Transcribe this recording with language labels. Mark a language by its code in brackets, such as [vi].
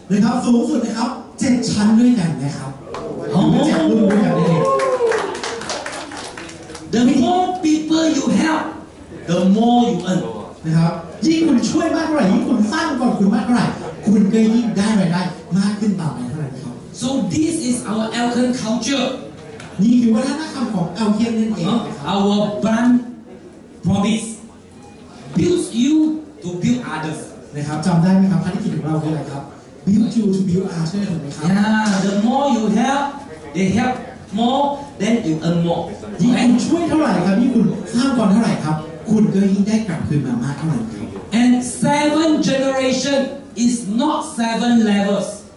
[th] นะครับสูงสุดนะครับ7ชั้นด้วยกันนะครับ ห้อง จ ะ รู้อย่างนี้ [en] The more people you help, the more you earn. [th] นะครับยิ่งคุณช่วยมากเท่าไหร่ยิ่งคุณสร้างก่อนคุณมากเท่าไหร่คุณก็ยิ่งได้รายได้มากขึ้นต่อไปเท่าไหร่ครับ [en] So this is our Elkin culture. [th] นี่คือวัฒนธรรมของเอลเคนนั่นเอง [en] Our brand promise builds you to build others. [th] นะครับจำได้ไหมครับภารกิจของเราคืออะไรครับ [en] Build you to build others. [th] ถูกไหมครับ [en] Yeah. The more you help, they help. More than you earn more [th] ยิ่งคุณช่วยเท่าไหร่ครับยิ่งคุณสร้างก่อนเท่าไหร่ครับคุณก็ยิ่งได้กลับคืนมามากเท่านั้นครับ [en] And seven generation is not seven levels